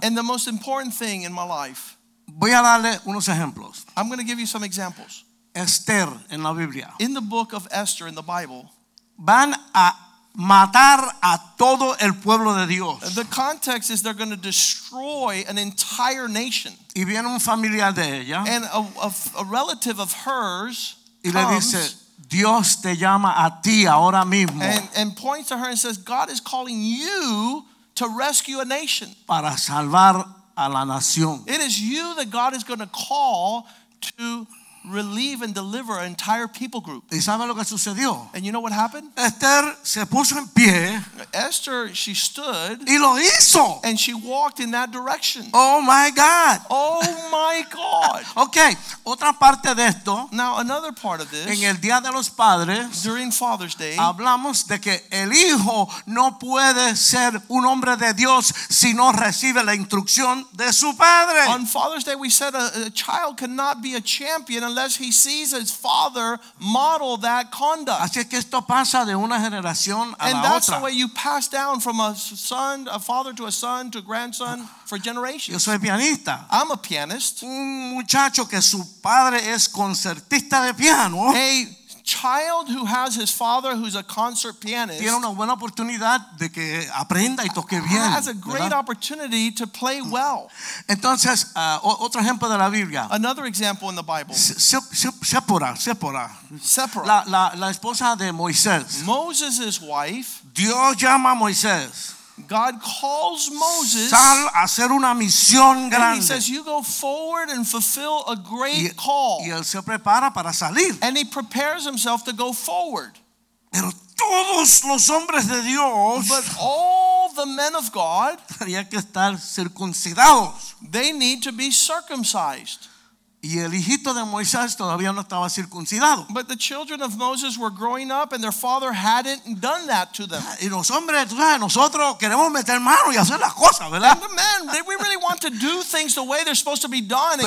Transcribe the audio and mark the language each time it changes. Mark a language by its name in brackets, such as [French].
[English] And the most important thing in my life. [Spanish] Voy a darle unos ejemplos. [English] I'm going to give you some examples. [Spanish] Esther en la Biblia. [English] In the book of Esther in the Bible. [Spanish] Van a matar a todo el pueblo de Dios. [English] The context is they're going to destroy an entire nation. [Spanish] Y viene un familiar de ella. [English] And a relative of hers. [Spanish] Y le dice, Dios te llama a ti ahora mismo. [English] And points to her and says, God is calling you to rescue a nation. [Spanish] Para salvar a la nación. [English] It is you that God is going to call to relieve and deliver an entire people group. [Spanish] ¿Y sabe lo que sucedió? [English] And you know what happened? [Spanish] Esther se puso en pie. [English] Esther, she stood. [Spanish] Y lo hizo. [English] And she walked in that direction. Oh my God. Oh my God. [Spanish] Okay. Otra parte de esto. [English] Now another part of this. [Spanish] En el día de los padres. [English] During Father's Day. [Spanish] Hablamos de que el hijo no puede ser un hombre de Dios si no recibe la instrucción de su padre. [English] On Father's Day, we said a child cannot be a champion unless he sees his father model that conduct. [Spanish] Así es que esto pasa de una generación a [English] and [Spanish] la [English] that's [Spanish] otra. [English] The way you pass down from a son, a father to a son to a grandson for generations. [Spanish] Yo soy pianista. [English] I'm a pianist. [Spanish] Un muchacho que su padre es concertista de piano. [English] A child who has his father who's a concert pianist [Spanish] tiene una buena oportunidad de que aprenda y toque bien, [English] has a great [Spanish] ¿verdad? [English] Opportunity to play well. [Spanish] Entonces, otro ejemplo de la Biblia. [English] Another example in the Bible. [Spanish] Sephora. La esposa de Moisés. [English] Moses' wife. [Spanish] Dios llama a Moisés. [English] God calls Moses. [Spanish] Sal a hacer una misión grande. [English] And he says, "You go forward and fulfill a great call." [Spanish] Y él se prepara para salir. [English] And he prepares himself to go forward. [Spanish] Pero todos los hombres de Dios, [English] but all the men of God, [Spanish] tenía que estar circuncidados. [English] They need to be circumcised. [Spanish] Y el hijito de Moisés todavía no estaba circuncidado. [English] But the children of Moses were growing up and their father hadn't done that to them. [Spanish] Y los hombres, tú sabes, nosotros queremos meter mano y hacer las cosas, ¿verdad? [English] And the men, we really want to do things the way they're supposed to be done and